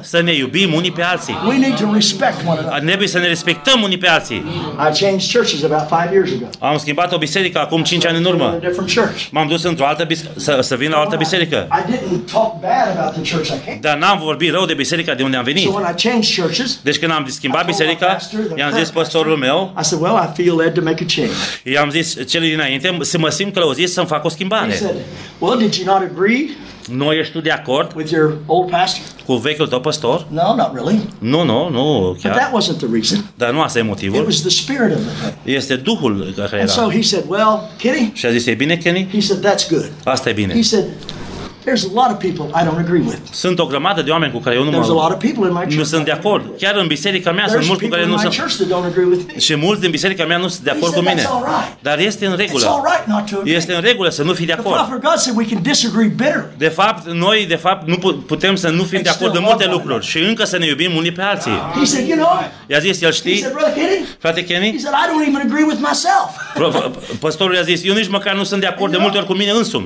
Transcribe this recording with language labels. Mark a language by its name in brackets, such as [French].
[Romanian] Să ne iubim unii pe alții. [English] We need to respect one another. [Romanian] Trebuie să ne respectăm unii pe alții. [English] I changed churches about 5 years ago. [Romanian] Am schimbat o biserică acum 5 ani în urmă. [English] I went to a different church. [Romanian] M-am dus într-o altă biserică, să vin la altă biserică. [English] I didn't talk bad about the church I came. [Romanian] Dar n-am vorbit rău de biserica de unde am venit. [English] So when I changed churches. [Romanian] Deci când am schimbat biserica, i-am zis pastorul meu. [English] I said, "Well, I feel led to make a change." [Romanian] I-am zis celui dinainte, să mă simt călăuzit să-mi fac o schimbare. [English] Well, did you not agree? [Romanian] Nu ești tu de acord [English] with your old pastor? [Romanian] Cu vechiul tău pastor? [English] No, not really. [Romanian] Nu, chiar. [English] But that wasn't the reason. [Romanian] Dar nu asta e motivul. [English] It was the spirit of it. [Romanian] Este Duhul care era. [English] And so he said, "Well, Kenny?" [Romanian] Și a zis, e bine, Kenny? [English] He said, "That's good." [Romanian] Asta e bine. [English] He said, "There's a lot of people I don't agree with." [Romanian] Sunt o grămadă de oameni cu care eu nu mă. [English] There's a lot of people in my church. [Romanian] Nu sunt de acord. Chiar în biserica mea sunt mulți cu care nu sunt. [English] There's people in my church that don't agree with me. [Romanian] Și mulți din biserica mea nu sunt de acord cu mine. Dar este în regulă. [English] It's all right not to agree. [Romanian] Este în regulă să nu fii de acord. [English] For God said we can disagree bitterly. [Romanian] De fapt, noi de fapt nu putem să nu fim de acord în multe lucruri și încă să ne iubim unii pe alții. [English] He said, "You know?" [Romanian] I-a zis, el știi? Frate Kenny? [English] He said, "I don't even agree with myself." [Romanian] Pastorul i-a zis, eu nici măcar nu sunt de acord de multe ori cu mine însumi.